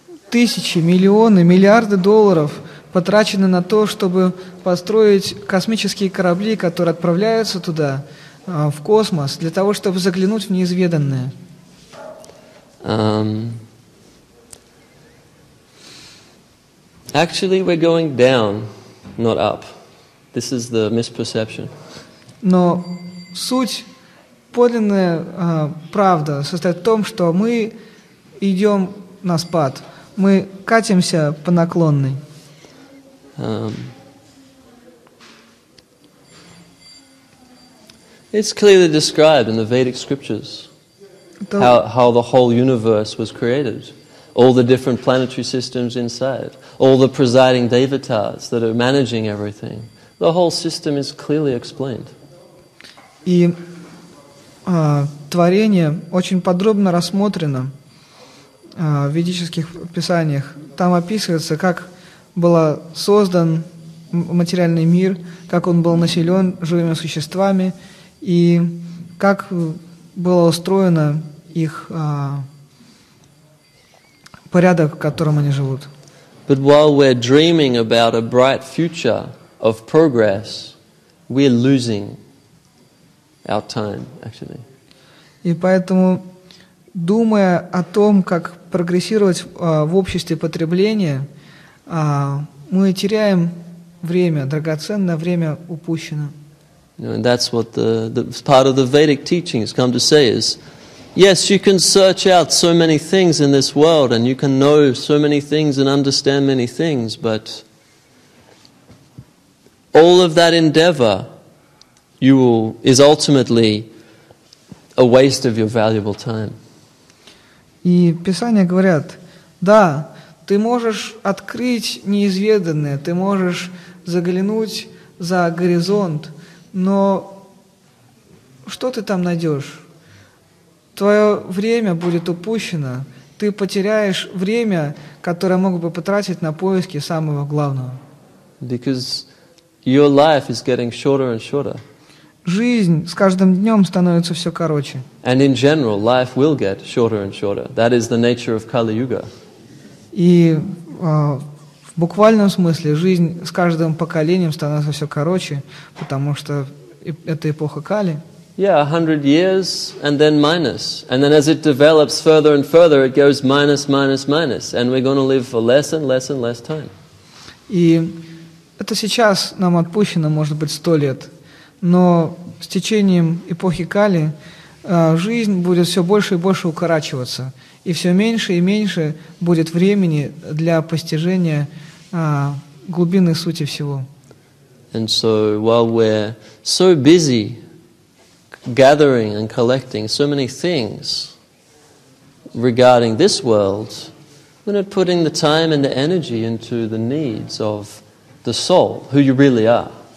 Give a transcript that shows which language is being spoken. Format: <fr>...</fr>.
<ru>Тысячи, миллионы, миллиарды долларов потрачены на то, чтобы построить космические корабли, которые отправляются туда, в космос, для того, чтобы заглянуть в неизведанное.</ru> <en>Actually, we're going down, not up. This is the misperception.</en> <ru>Но суть, подлинная правда состоит в том, что мы идем на спад. Мы катимся по наклонной.</ru> <en>It's clearly described in the Vedic scriptures how the whole universe was created, all the different planetary systems inside, all the presiding devatas that are managing everything. The whole system is clearly explained.</en> <ru>И творение очень подробно рассмотрено в ведических писаниях. Там описывается, как был создан материальный мир, как он был населен живыми существами, и как было устроено их порядок, в котором они живут.</ru> <en>But while we're dreaming about a bright future of progress, we're losing our time, actually.</en> <ru>И поэтому, думая о том, как прогрессировать в обществе потребления, мы теряем время, драгоценное время упущено.</ru> <en>You know, and that's what the part of the Vedic teaching has come to say is, yes, you can search out so many things in this world and you can know so many things and understand many things, but all of that endeavor is ultimately a waste of your valuable time.</en> <ru>И Писания говорят, да, ты можешь открыть неизведанное, ты можешь заглянуть за горизонт, но что ты там найдешь? Твое время будет упущено. Ты потеряешь время, которое мог бы потратить на поиски самого главного.</ru> <en>Because your life is getting shorter and shorter.</en> <ru>Жизнь с каждым днем становится все короче.</ru> <en>And in general, life will get shorter and shorter. That is the nature of Kali Yuga.</en> <ru>И в буквальном смысле жизнь с каждым поколением становится все короче, потому что это эпоха Кали.</ru> <en>Yeah, 100 years and then minus. And then as it develops further and further, it goes minus, minus, minus. And we're going to live for less and less and less time.</en> <ru>И это сейчас нам отпущено, может быть, 100 лет. Но с течением эпохи Кали жизнь будет все больше и больше укорачиваться. И все меньше и меньше будет времени для постижения глубины сути всего.</ru> <en>And so while we're so busy gathering and collecting so many things regarding this world, we're not putting the time and the energy into the needs of the soul, who you really are.</en>